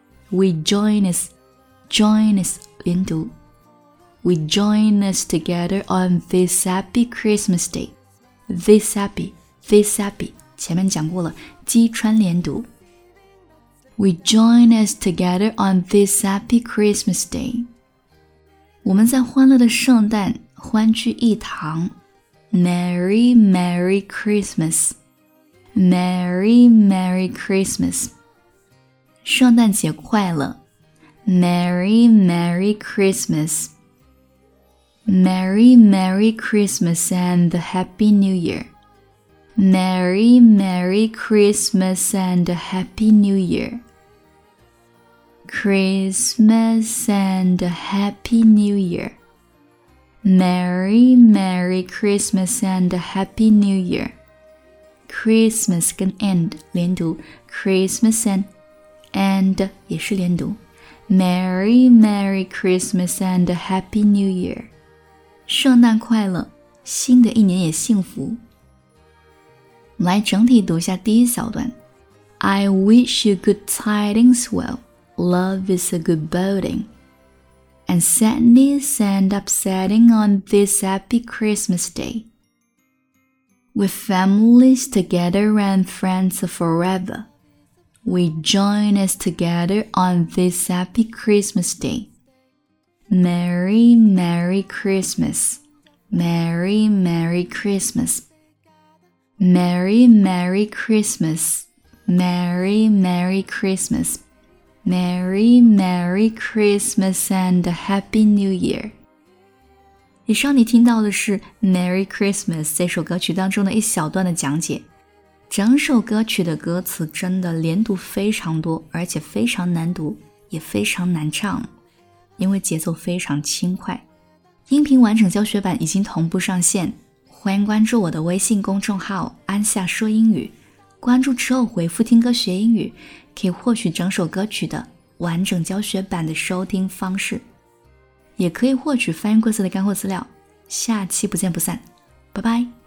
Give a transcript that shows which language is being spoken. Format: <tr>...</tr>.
<en>We join us</en> <zh>连读</zh> <en>We join us together on this happy Christmas day. This happy</en> <zh>前面讲过了，击穿连读</zh> <en>We join us together on this happy Christmas day.</en> <zh>我们在欢乐的圣诞欢聚一堂。</zh> <en>Merry Merry Christmas. Merry Merry Christmas.</en> <zh>圣诞节快乐。</zh> <en>Merry Merry Christmas. Merry Merry Christmas and Happy New Year. Merry Merry Christmas and Happy New Year. Christmas and Happy New Year. Merry Merry Christmas and Happy New Year. Christmas 跟 and 连读 Christmas and</en> <zh>也是连读</zh> <en>Merry Merry Christmas and Happy New Year.</en> <zh>圣诞快乐，新的一年也幸福。来整体读一下第一小段</zh> <en>I wish you good tidings well. Love is a good boding, and sadness and upsetting on this happy Christmas day. With families together and friends forever, we join us together on this happy Christmas day. Merry, Merry Christmas. Merry, Merry Christmas. Merry, Merry Christmas. Merry, Merry Christmas. Merry Merry Christmas and Happy New Year.</en> <zh>以上你听到的是 Merry Christmas 这首歌曲当中的一小段的讲解。整首歌曲的歌词真的连读非常多，而且非常难读，也非常难唱，因为节奏非常轻快。音频完整教学版已经同步上线，欢迎关注我的微信公众号安夏说英语，关注之后回复听歌学英语，可以获取整首歌曲的完整教学版的收听方式，也可以获取翻译过字的干货资料。下期不见不散，拜拜。</zh>